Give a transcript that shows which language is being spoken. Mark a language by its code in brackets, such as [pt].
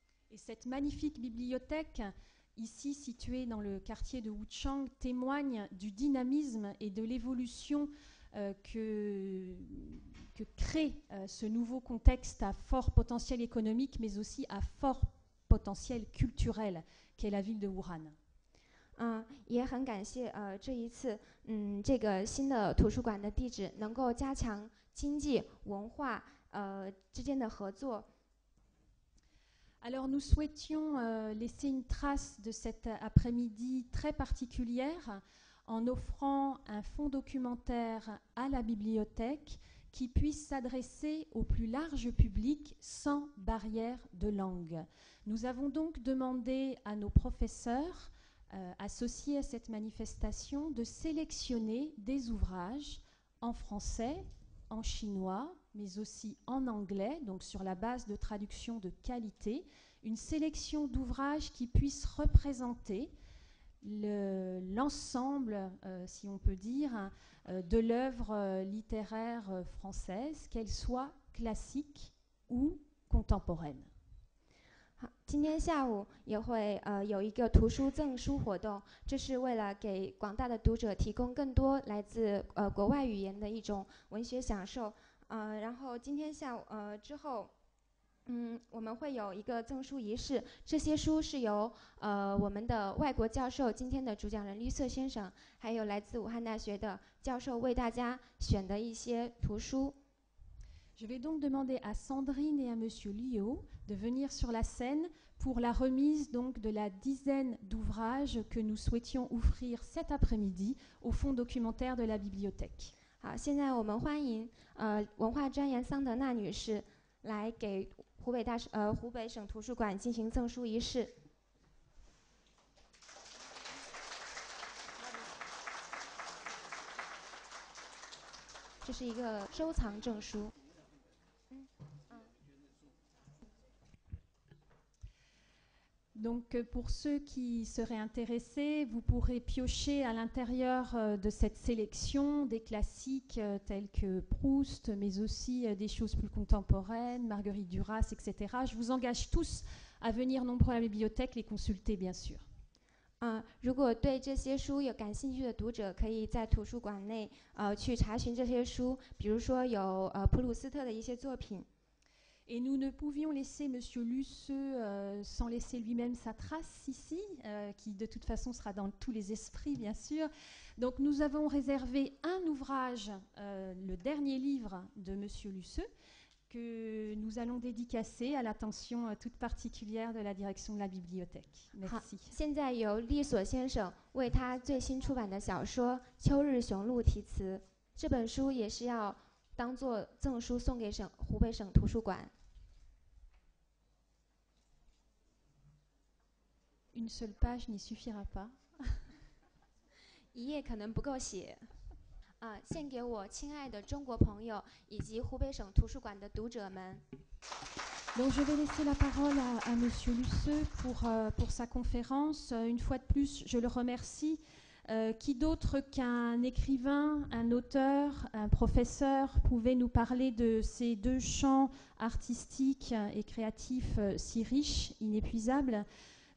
[fr] Et cette magnifique bibliothèque ici située dans le quartier de Wuchang témoigne du dynamisme et de l'évolution que crée ce nouveau contexte à fort potentiel économique, mais aussi à fortpotentiel culturel qu'est la ville de Wuhan. [zh] 也很感谢这一次这个新的图书馆的地址能够加强经济文化之间的合作。 [fr] Alors nous souhaitions laisser une trace de cet après-midi très particulière en offrant un fonds documentaire à la bibliothèque qui puisse s'adresser au plus large public sans barrière de langue. Nous avons donc demandé à nos professeurs associés à cette manifestation de sélectionner des ouvrages en français, en chinois, mais aussi en anglais, donc sur la base de traductions de qualité, une sélection d'ouvrages qui puissent représenter l'ensemble, si on peut dire, de l'œuvre littéraire française, qu'elle soit classique ou contemporaine. [zh] 今天下午也会有一个图书赠书活动，这是为了给广大的读者提供更多来自国外语言的一种文学享受。然后今天下午之后，我们会有一个赠书仪式，这些书是由我们的外国教授，今天的主讲人绿色先生，还有来自武汉大学的教授为大家选的一些图书。 [fr] Je vais donc demander à Sandrine et à Monsieur Liu de venir sur la scène pour la remise donc de la dizaine d'ouvrages que nous souhaitions offrir cet après-midi au fonds documentaire de la bibliothèque. [zh] 好，现在我们欢迎文化专员桑德纳女士来给湖北省图书馆进行赠书仪式。这是一个收藏证书。 [fr] Donc pour ceux qui seraient intéressés, vous pourrez piocher à l'intérieur de cette sélection des classiques tels que Proust, mais aussi des choses plus contemporaines, Marguerite Duras, etc. Je vous engage tous à venir nombreux à la bibliothèque les consulter, bien sûr. [zh] 如果对这些书有感兴趣的读者，可以在图书馆内去查询这些书，比如说有普鲁斯特的一些作品。 [fr] Et nous ne pouvions laisser M. Luceux sans laisser lui-même sa trace ici, qui de toute façon sera dans tous les esprits, bien sûr. Donc nous avons réservé un ouvrage, le dernier livre de M. Luceux, que nous allons dédicacer à l'attention toute particulière de la direction de la bibliothèque. Merci. [zh] 现在由利索先生为他最新出版的小说《秋日雄鹿题词》，这本书也是要当作赠书送给湖北省图书馆。 [fr] Une seule page n'y suffira pas. [zh] 一页可能不够写。献给我亲爱的中国朋友以及湖北省图书馆的读者们。 [fr] Donc je vais laisser la parole à Monsieur Luceux pour sa conférence. Une fois de plus, je le remercie. Qui d'autre qu'un écrivain, un auteur, un professeur pouvait nous parler de ces deux champs artistiques et créatifs si riches, inépuisables ?